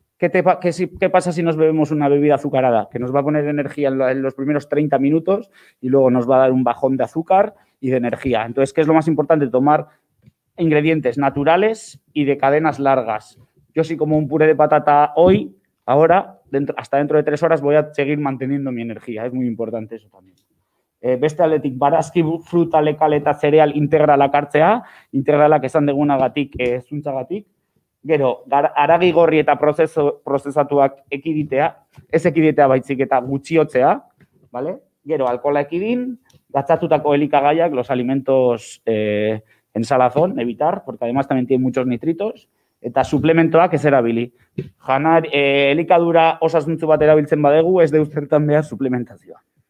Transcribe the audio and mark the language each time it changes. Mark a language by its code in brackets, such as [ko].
[es] ¿Qué pasa si nos bebemos una bebida azucarada? Que nos va a poner energía en los primeros 30 minutos y luego nos va a dar un bajón de azúcar y de energía. Entonces, ¿qué es lo más importante? Tomar ingredientes naturales y de cadenas largas. Yo sí como un puré de patata hoy, ahora, hasta dentro de 3 horas voy a seguir manteniendo mi energía. Es muy importante eso también. [eu] Beste aldetik, barazki, fruta, lekal eta cereal, integralak hartzea, integralak esan degunagatik, zuntzagatik. Gero, haragi gorri eta prozesatuak ekiditea, ez ekiditea baitzik eta gutxiotzea, vale? Gero, alkohola ekidin, gatzatutako elikagaiak, [es] los alimentos en salazón, evitar, porque además también tiene muchos nitritos, [eu] eta suplementoak ez erabili. Janar, elikadura osasuntzu bat erabiltzen badegu, ez deuzertan behar suplementazioa.